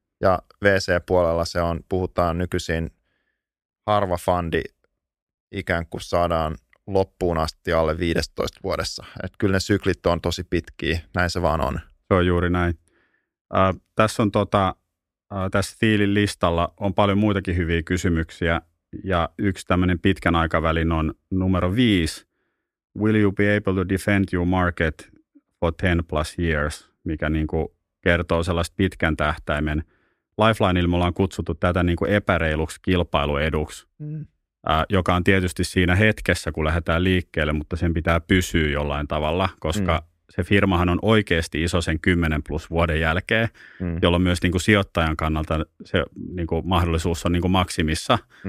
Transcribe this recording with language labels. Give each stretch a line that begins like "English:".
Finnish: Ja VC-puolella se on, puhutaan nykyisin harva fundi ikään kuin saadaan loppuun asti alle 15 vuodessa. Että kyllä ne syklit on tosi pitkiä, näin se vaan on. Se on juuri näin. Tässä Thielin listalla on paljon muitakin hyviä kysymyksiä ja yksi tämmöinen pitkän aikavälin on numero 5.
English: Will you be able to defend your market for 10 plus years?
Finnish: Mikä niin kuin kertoo sellaista pitkän tähtäimen. Lifelineilla me ollaan kutsuttu tätä niin kuin epäreiluksi kilpailueduksi, joka on tietysti siinä hetkessä, kun lähdetään liikkeelle, mutta sen pitää pysyä jollain tavalla, koska se firmahan on oikeasti iso sen 10+ vuoden jälkeen, jolloin myös niin kuin sijoittajan kannalta se niin kuin mahdollisuus on niin kuin maksimissa.